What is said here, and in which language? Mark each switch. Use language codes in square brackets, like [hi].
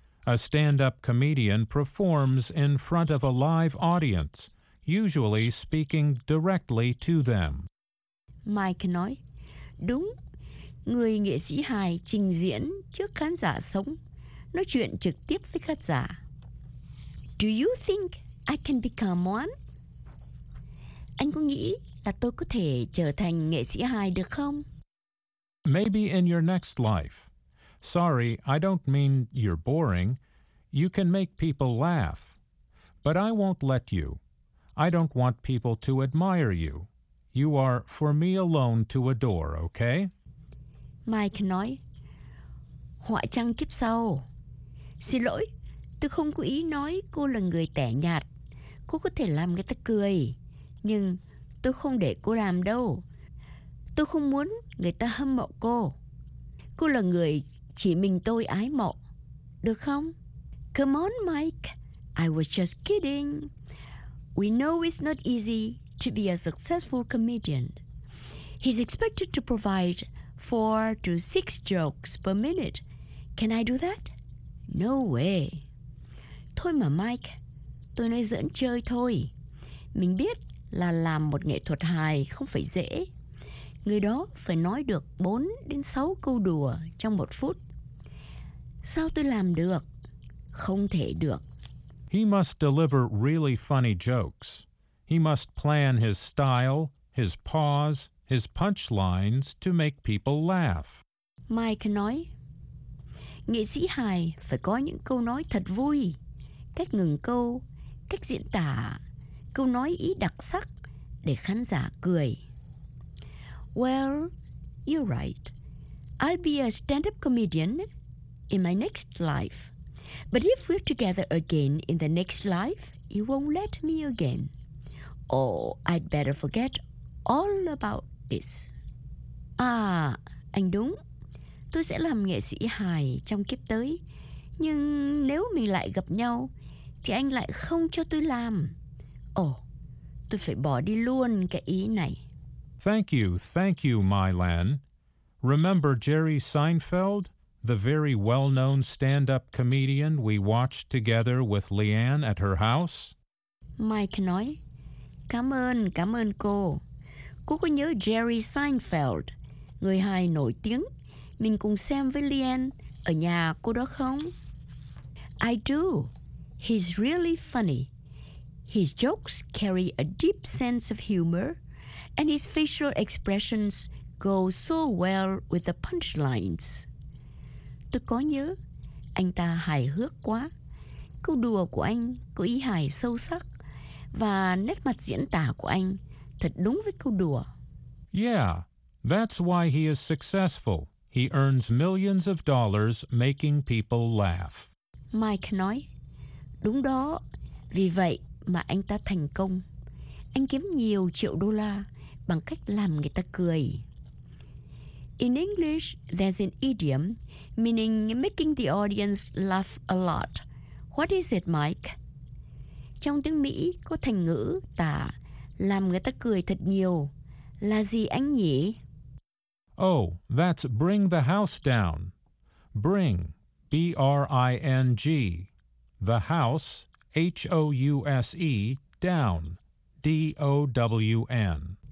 [en] A stand-up comedian performs in front of a live audience, usually speaking directly to them. [vi] Mike nói, đúng, người nghệ sĩ hài trình diễn trước khán giả sống, nói chuyện trực tiếp với khán giả. [en] Do you think I can become one? [vi] Anh có nghĩ là tôi có thể trở thành nghệ sĩ hài được không? [en] Maybe in your next life. Sorry, I don't mean you're boring. You can make people laugh. But I won't let you. I don't want people to admire you. You are for me alone to adore, okay? [vi] Mike nói, họa chăng kiếp sau. Xin lỗi, tôi không có ý nói cô là người tẻ nhạt. Cô có thể làm người ta cười. Nhưng tôi không để cô làm đâu. Tôi không muốn người ta hâm mộ cô. Cô là người chỉ mình tôi ái mộ. Được không? [en] Come on, Mike. I was just kidding. We know it's not easy to be a successful comedian. He's expected to provide 4 to 6 jokes per minute. Can I do that? No way. [vi] Thôi mà, Mike. Tôi nói giỡn chơi thôi. Mình biết là làm một nghệ thuật hài không phải dễ. Người đó phải nói được 4 đến 6 câu đùa trong 1 phút. Sao tôi làm được? Không thể được. [en] He must deliver really funny jokes. He must plan his style, his pause, his punchlines to make people laugh. [vi] Mike nói, nghệ sĩ hài phải có những câu nói thật vui, cách ngừng câu, cách diễn tả, câu nói ý đặc sắc để khán giả cười. [en] Well, you're right. I'll be a stand-up comedian in my next life. But if we're together again in the next life, you won't let me again. Oh, I'd better forget all about this. [vi] À, anh đúng. Tôi sẽ làm nghệ sĩ hài trong kiếp tới. Nhưng nếu mình lại gặp nhau, thì anh lại không cho tôi làm. Oh, tôi phải bỏ đi luôn cái ý này. [en] Thank you, Mylan. Remember Jerry Seinfeld? the very well-known stand-up comedian we watched together with Leanne at her house? [vi] Mike nói, cảm ơn cô. Cô có nhớ Jerry Seinfeld, người hài nổi tiếng, mình cùng xem với Leanne ở nhà cô đó không? [en] I do. He's really funny. His jokes carry a deep sense of humor, and his facial expressions go so well with the punchlines. [vi] Tôi có nhớ, anh ta hài hước quá. Câu đùa của anh có ý hài sâu sắc, và nét mặt diễn tả của anh thật đúng với câu đùa. [en] Yeah, that's why he is successful. He earns millions of dollars making people laugh. [vi] Mike nói, đúng đó, vì vậy mà anh ta thành công. Anh kiếm nhiều triệu đô la bằng cách làm người ta cười. [en] In English, there's an idiom meaning making the audience laugh a lot. What is it, Mike? [vi] Trong tiếng Mỹ có thành ngữ tả làm người ta cười thật nhiều. Là gì anh nhỉ? [en] Oh, that's bring the house down. Bring, B-R-I-N-G. The house, H-O-U-S-E, down, D-O-W-N.